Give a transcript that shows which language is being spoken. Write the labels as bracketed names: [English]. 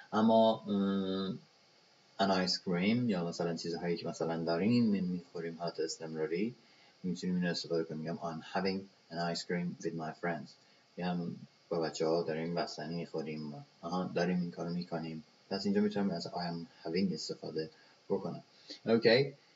[Persian] اما an ice cream یا مثلا چیزهایی که مثلا داریم میخوریم حالت استمراری میتونیم این استفاده کنیم. میگم [English] I'm having an ice cream with my friends. [Persian] میگم با بچه ها داریم بستنی میخوریم. داریم این کارو میکنیم. پس اینجا میتونم از [English] I am having [Persian] استفاده بکنم. اوکی.